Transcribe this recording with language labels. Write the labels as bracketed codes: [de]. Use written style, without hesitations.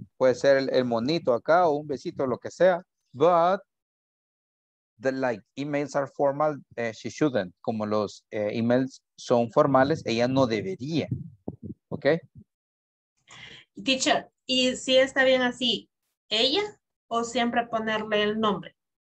[es] Puede ser el monito acá o un besito, lo que sea. [en] But the like emails are formal, she shouldn't. [es] Como los emails son formales, ella no debería. Ok. Teacher, ¿y si está bien así, ella o siempre ponerle el nombre?